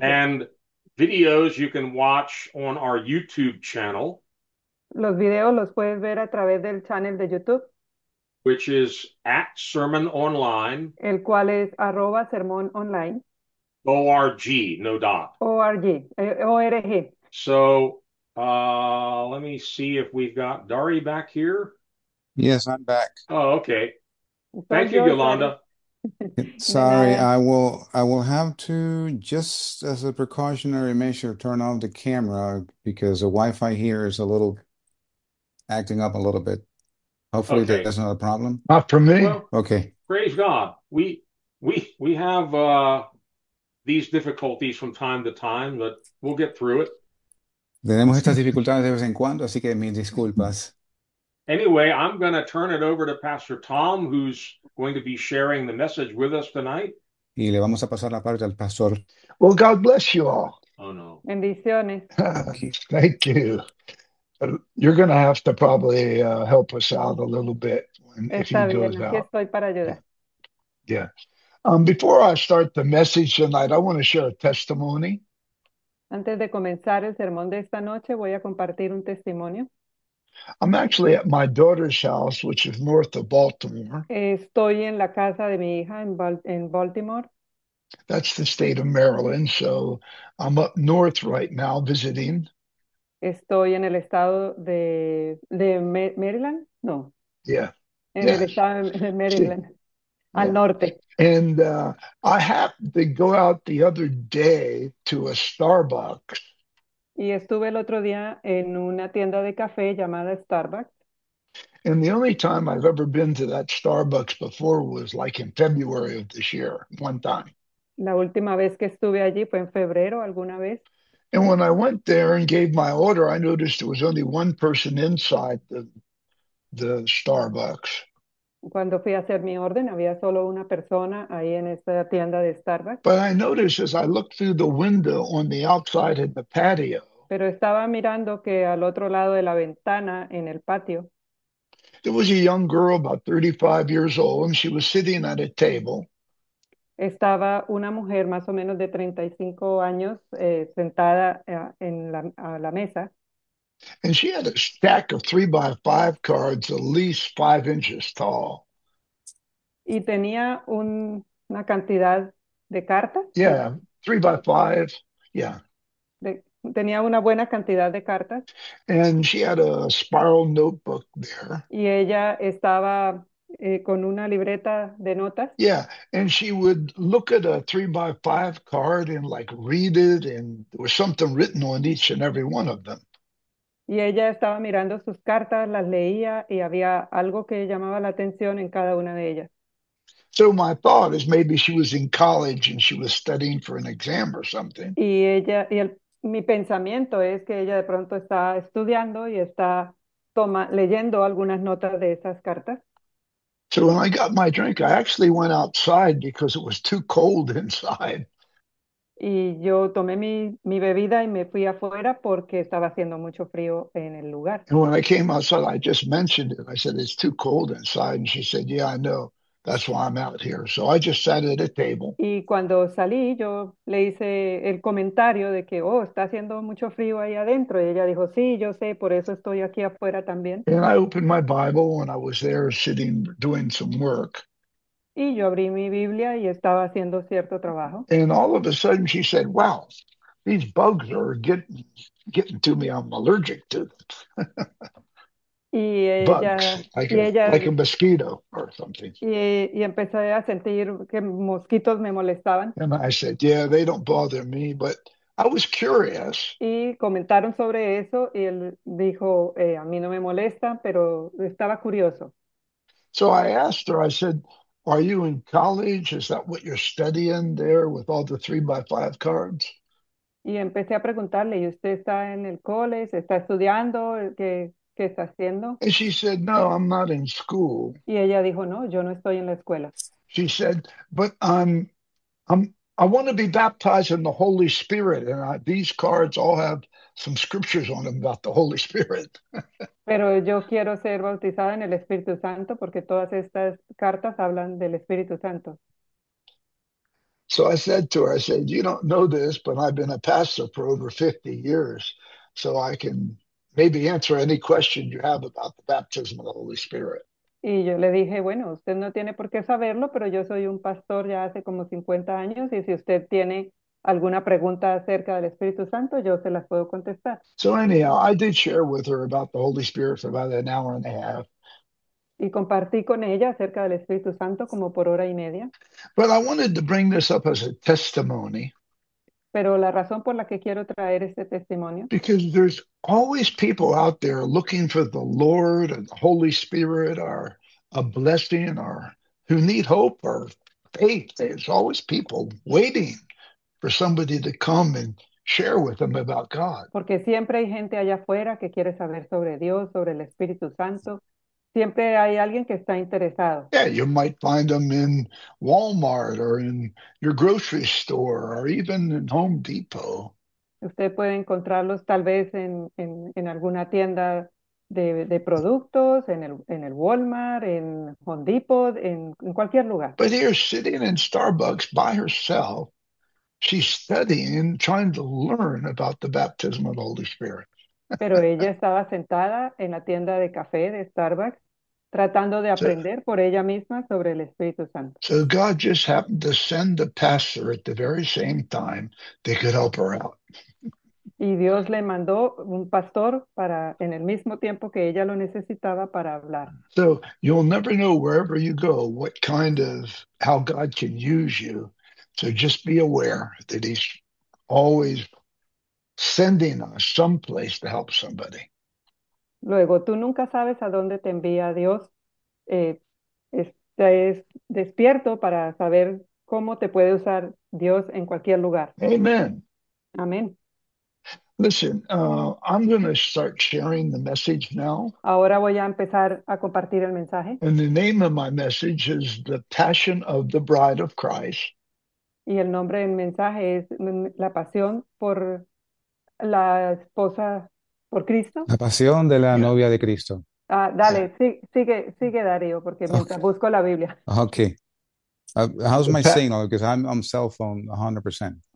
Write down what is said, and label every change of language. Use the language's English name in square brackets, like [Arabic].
[English] And videos you can watch on our YouTube channel, [Spanish] Los videos los puedes ver a través del channel de YouTube, [English] which is at Sermon Online, [Spanish] el cual es arroba sermón online. [English] ORG, no dot. ORG. So, let me see if we've got Dari back here. Yes, I'm back. Oh, okay. Thank [Spanish] Soy [English] you, [Spanish] yo, Dari. Yolanda. De [English] Sorry, [Spanish] nada. [English] I will have to, just as a precautionary measure, turn off the camera because the Wi-Fi here is a little acting up a little bit. Hopefully Okay. that's not a problem. Not for me. Well, Okay. praise God. We have these difficulties from time to time, but we'll get through [Spanish] Tenemos estas [English] it. [Spanish] dificultades de vez en cuando, así que mis disculpas. [English] Anyway, I'm going to turn it over to Pastor Tom, who's going to be sharing the message with us tonight. [Spanish] Y le vamos a pasar la parte al pastor. [English] Well, God bless you all. Oh no. [Spanish] Bendiciones. [English] Thank you. Thank you. You're going to have to probably help us out a little bit when, if he [Spanish] Está [English] goes [Spanish] bien, aquí [English] out. [Spanish] estoy para ayudar. [English] Before I start the message tonight, I want to share a testimony. [Spanish] Antes de comenzar el sermón de esta noche, voy a compartir un testimonio. [English] I'm actually at my daughter's house, which is north of Baltimore. [Spanish] Estoy en la casa de mi hija en Baltimore. [English] That's the state of Maryland, so I'm up north right now visiting. [Spanish] Estoy en el estado de Maryland, no. En el estado de [English] See, [Spanish] Maryland, al norte. [English] and I happened to go out the other day to a Starbucks. [Spanish] Y estuve el otro día en una tienda de café llamada Starbucks. [English] And the only time I've ever been to that Starbucks before was like in February of this year, one time. [Spanish] La última vez que estuve allí fue en febrero, alguna vez. [English] And when I went there and gave my order, I noticed there was only one person inside the Starbucks. [Spanish] Cuando fui a hacer mi orden, había solo una persona ahí en esta tienda de Starbucks. [English] But I noticed as I looked through the window on the outside in the patio, [Spanish] Pero estaba mirando que al otro lado de la ventana, en el patio, [English] there was a young girl about 35 years old, and she was sitting at a table. [Spanish] estaba una mujer más o menos de 35 años sentada en a la mesa. [English] And she had a stack of 3x5 cards at least 5 inches tall. [Spanish] Y tenía una cantidad de cartas, sí. [English] Yeah, 3x5. Yeah. [Spanish] Tenía una buena cantidad de cartas. [English] And she had a spiral notebook there. [Spanish] Y ella estaba con una libreta de notas. [English] Yeah, and she would look at a 3x5 card and like read it, and there was something written on each and every one of them. [Spanish] Y ella estaba mirando sus cartas, las leía y había algo que llamaba la atención en cada una de ellas. [English] So my thought is maybe she was in college and she was studying for an exam or something. [Spanish] Mi pensamiento es que ella de pronto está estudiando y leyendo algunas notas de esas cartas. [English] So when I got my drink, I actually went outside because it was too cold inside. [Spanish] Y yo tomé mi bebida y me fui afuera porque estaba haciendo mucho frío en el lugar. [English] And when I came outside, I just mentioned it. I said, "It's too cold inside." And she said, "Yeah, I know. That's why I'm out here." So I just sat at a table. [Spanish] Y cuando salí, yo le hice el comentario de que, oh, está haciendo mucho frío ahí adentro. Y ella dijo, sí, yo sé, por eso estoy aquí afuera también. [English] And I opened my Bible when I was there sitting doing some work. [Spanish] Y yo abrí mi Biblia y estaba haciendo cierto trabajo. [English] And all of a sudden she said, "Wow, these bugs are getting to me. I'm allergic to them." [Spanish] Y [English] Bugs, [Spanish] ella, y ella, [English] like a mosquito or something. [Spanish] y empecé a sentir que mosquitos me molestaban. [English] And I said, "Yeah, they don't bother me, but I was curious." [Spanish] Y comentaron sobre eso y él dijo, a mí no me molesta, pero estaba curioso. [English] So I asked her, I said, "Are you in college? Is that what you're studying there with all the 3x5 cards?" [Spanish] Y empecé a preguntarle, ¿y usted está en el cole? ¿Se está estudiando? ¿Qué está haciendo? [English] And she said, "No, I'm not in school." [Spanish] Y ella dijo, no, yo no estoy en la escuela. [English] She said, "But I want to be baptized in the Holy Spirit. And these cards all have some scriptures on them about the Holy Spirit." [Spanish] Pero yo quiero ser bautizada en el Espíritu Santo porque todas estas cartas hablan del Espíritu Santo. [English] So I said to her, I said, "You don't know this, but I've been a pastor for over 50 years, so I can maybe answer any question you have about the baptism of the Holy Spirit." [Spanish] Y yo le dije, bueno, usted no tiene por qué saberlo, pero yo soy un pastor ya hace como 50 años y si usted tiene alguna pregunta acerca del Espíritu Santo, yo se las puedo contestar. [English] So anyhow, I did share with her about the Holy Spirit for about an hour and a half. [Spanish] Y compartí con ella acerca del Espíritu Santo como por hora y media. [English] But I wanted to bring this up as a testimony [Spanish] Pero la razón por la que quiero traer este testimonio. [English] because there's always people out there looking for the Lord and the Holy Spirit or a blessing or who need hope or faith. There's always people waiting for somebody to come and share with them about God. [Spanish] Porque siempre hay gente allá afuera que quiere saber sobre Dios, sobre el Espíritu Santo. Siempre hay alguien que está interesado. [English] Yeah, you might find them in Walmart or in your grocery store or even in Home Depot. [Spanish] Usted puede encontrarlos tal vez en alguna tienda de productos, en el Walmart, en Home Depot, en cualquier lugar. [English] But here, sitting in Starbucks by herself, she's studying, trying to learn about the baptism of the Holy Spirit. [Spanish] Pero ella estaba sentada en la tienda de café de Starbucks, tratando de aprender por ella misma sobre el Espíritu Santo. [English] So God just happened to send the pastor at the very same time that could help her out. [Spanish] Y Dios le mandó un pastor para en el mismo tiempo que ella lo necesitaba para hablar. [English] So you'll never know wherever you go what kind of how God can use you. So just be aware that he's always sending us someplace to help somebody. [Spanish] Luego, tú nunca sabes a dónde te envía Dios. Estás despierto para saber cómo te puede usar Dios en cualquier lugar. [English] Amen. [Spanish] Amén. [English] Listen, I'm going to start sharing the message now. [Spanish] Ahora voy a empezar a compartir el mensaje. [English] And the name of my message is The Passion of the Bride of Christ. [Spanish] Y el nombre del mensaje es La pasión por la esposa por Cristo. La pasión de la novia de Cristo. Ah, dale, sigue Darío, porque mientras busco la Biblia. [English] How's my signal? Because I'm cell phone 100%.